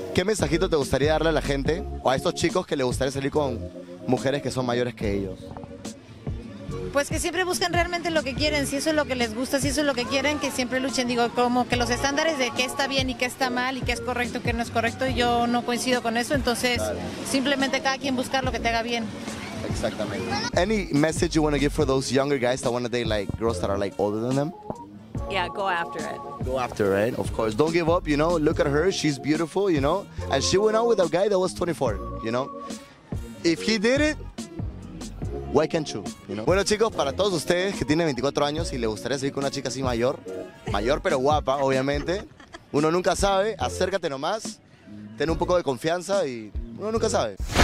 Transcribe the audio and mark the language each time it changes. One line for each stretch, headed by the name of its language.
Spanish: ¿Qué mensajito te gustaría darle a la gente o a estos chicos que les gustaría salir con mujeres que son mayores que ellos? Pues que siempre busquen realmente lo que quieren, si eso es lo que les gusta, si eso es lo que quieren, que siempre luchen. Digo, como que los estándares de qué está bien y qué está mal y qué es correcto y qué no es correcto, yo no coincido con eso. Entonces, claro, simplemente cada quien buscar lo que te haga bien. Exactamente.
English: Any message you want to give for those younger guys that want to date like girls that are like older than them? Yeah, go after it. Go after it, of course. Don't give up, you know. Look at her. She's beautiful, you know. And she went out with a guy that was 24, you know. If he did it, why can't you, you know?
Spanish: Bueno, chicos, para todos ustedes que tienen 24 años y les gustaría salir con una chica así mayor pero guapa, obviamente, uno nunca sabe, acércate nomás, ten un poco de confianza y uno nunca sabe.